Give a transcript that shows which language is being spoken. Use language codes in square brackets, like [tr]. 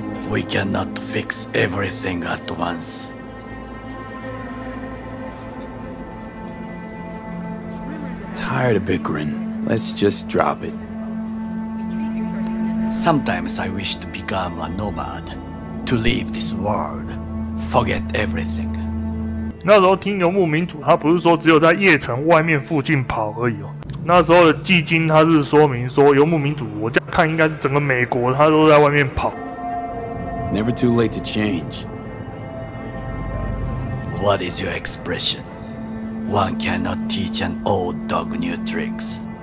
[en] We cannot fix everything at once. Tired of bickering. Let's just drop it. Sometimes I wish to become a nomad. To leave this world. Forget everything. [zh] 那时候听游牧民族，他不是说只有在夜城外面附近跑而已哦。那时候的技经他是说明说，游牧民族我这样看应该整个美国他都在外面跑。 [en] Never too late to change. What is your expression? One cannot teach an old dog new tricks.